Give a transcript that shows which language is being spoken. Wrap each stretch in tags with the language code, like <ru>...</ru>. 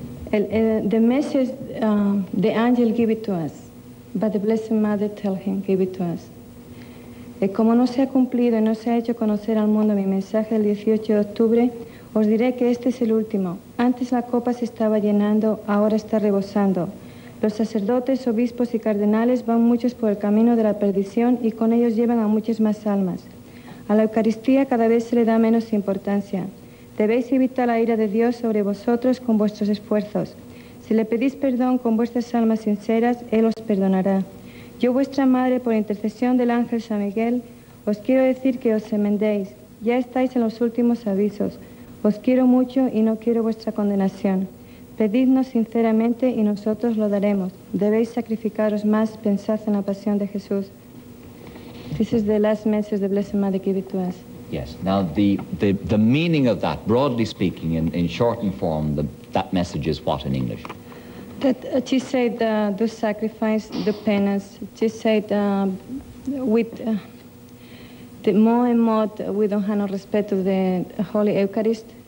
<en>The message, the angel give it to us, but the Blessed Mother tell him, give it to us.</en> <es>Como no se ha cumplido y no se ha hecho conocer al mundo mi mensaje el 18 de octubre, os diré que este es el último. Antes la copa se estaba llenando, ahora está rebosando. Los sacerdotes, obispos y cardenales van muchos por el camino de la perdición y con ellos llevan a muchas más almas. A la Eucaristía cada vez se le da menos importancia. Debéis evitar la ira de Dios sobre vosotros con vuestros esfuerzos. Si le pedís perdón con vuestras almas sinceras, Él os perdonará. Yo, vuestra madre, por intercesión del ángel San Miguel, os quiero decir que os enmendéis. Ya estáis en los últimos avisos. Os quiero mucho y no quiero vuestra condenación. Pedidnos sinceramente y nosotros lo daremos. Debéis sacrificaros más, pensad en la pasión de Jesús.</es> <en>This is the last message the Blessed Mother gave to us. Yes. Now, the meaning of that, broadly speaking, in shortened form, that message is what in English? That she said the sacrifice, the penance. She said with the more and more we don't have no respect of the Holy Eucharist.</en>